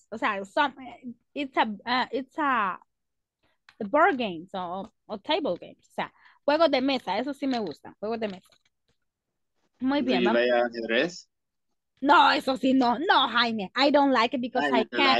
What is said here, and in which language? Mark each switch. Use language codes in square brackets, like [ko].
[es] O sea, [en] it's a board game o table game. [es] O sea, juegos de mesa, eso sí me gusta, juegos de mesa. Muy bien. [en] ¿Do you play ajedrez? [es] No, eso sí no. [en] No, Jaime, I don't like it because I can't.